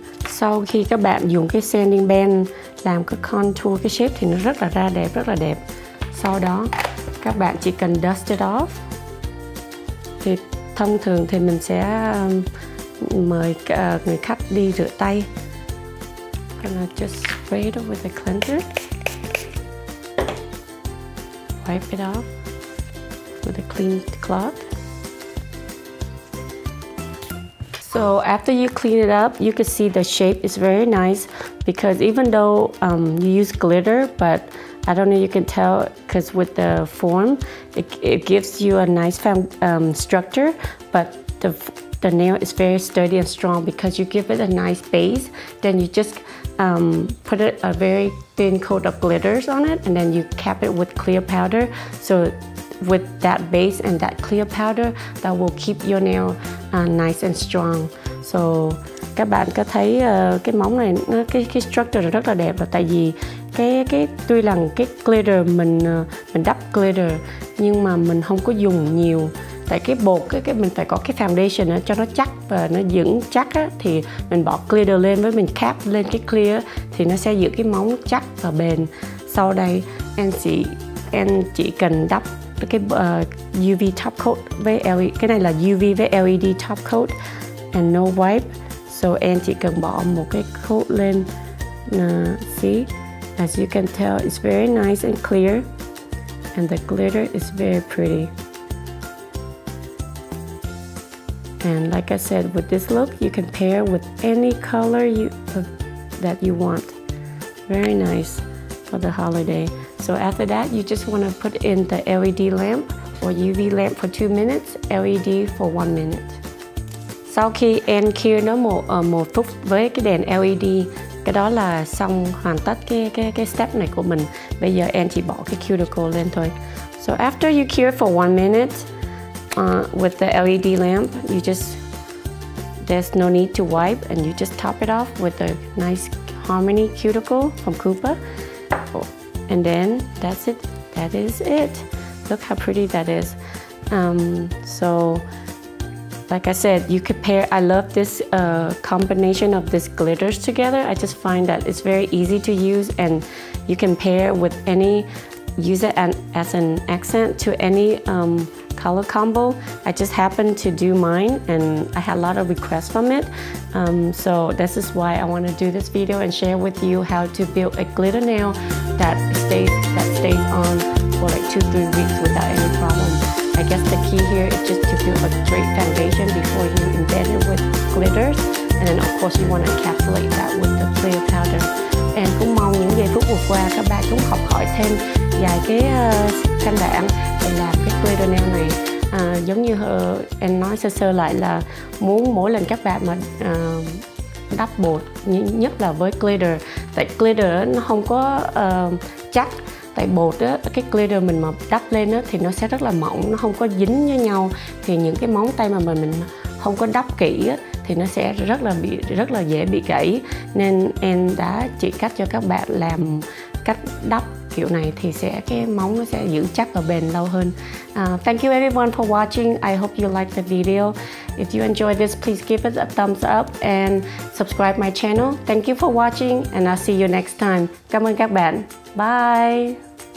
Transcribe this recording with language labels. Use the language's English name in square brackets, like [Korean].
[Vietnamese] Sau khi các bạn dùng cái sanding band làm cái contour, cái shape thì nó rất là ra đẹp, rất là đẹp. Sau đó các bạn chỉ cần [English] dust it off. [Vietnamese] Thì thông thường thì mình sẽ mời người khách đi rửa tay. [English] I'm gonna just spray it with a cleanser. Wipe it off with a clean cloth. So after you clean it up, you can see the shape is very nice, because even though you use glitter, but I don't know, you can tell because with the form, it gives you a nice structure, but the nail is very sturdy and strong because you give it a nice base. Then you just put a very thin coat of glitters on it, and then you cap it with clear powder. So with that base and that clear powder, that will keep your nail nice and strong. [Vietnamese] So các bạn có thấy cái móng này nó cái structure nó rất là đẹp, và tại vì cái tuy là cái glitter mình đắp glitter, nhưng mà mình không có dùng nhiều. Tại cái bột cái mình phải có cái foundation cho nó chắc và nó vững chắc á, thì mình bỏ glitter lên với mình cap lên cái clear thì nó sẽ giữ cái móng chắc và bền. Sau đây em chỉ cần đắp cái UV top coat với LED, cái này là UV với LED top coat [English] and no wipe. [Vietnamese] So em chỉ cần bỏ một cái coat lên. [English] See, as you can tell, it's very nice and clear, and the glitter is very pretty. And like I said, with this look, you can pair with any color that you want. Very nice for the holiday. So after that, you just want to put in the LED lamp or UV lamp for 2 minutes, LED for 1 minute. [Vietnamese] Sau khi em cure nó một phút với cái đèn LED, cái đó là xong hoàn tất cái step này của mình. Bây giờ em chỉ bỏ cái cuticle lên thôi. [English] So after you cure for 1 minute, with the LED lamp, there's no need to wipe, and you just top it off with a nice Harmony cuticle from Kupa. And then that's it. That is it. Look how pretty that is. So like I said, you could pair. I love this combination of this glitters together. I just find that it's very easy to use, and you can pair with any, use it as an accent to any color combo. I just happened to do mine, and I had a lot of requests from it. So this is why I want to do this video and share with you how to build a glitter nail that stays on for like 2-3 weeks without any problem. I guess the key here is just to build a great foundation before you embed it with glitters, and then of course you want to encapsulate that with the clear powder. [Vietnamese] And cũng mong những giây phút vừa qua các bạn cũng học hỏi thêm vài cái căn bản để làm cái glitter nail này. Giống như em nói sơ lại là muốn mỗi lần các bạn mà đắp bột, nhất là với glitter, tại glitter nó không có chắc. Tại bột á, cái glitter mình mà đắp lên á, thì nó sẽ rất là mỏng, nó không có dính với nhau. Thì những cái móng tay mà mình không có đắp kỹ á, thì nó sẽ rất là dễ bị gãy. Nên em đã chỉ cách cho các bạn làm cách đắp kiểu này thì sẽ cái móng nó sẽ giữ chắc và bền lâu hơn. [English] Thank you everyone for watching. I hope you like the video. If you enjoy this, please give it a thumbs up and subscribe my channel. Thank you for watching, and I'll see you next time. [Vietnamese] Cảm ơn các bạn. [English] Bye.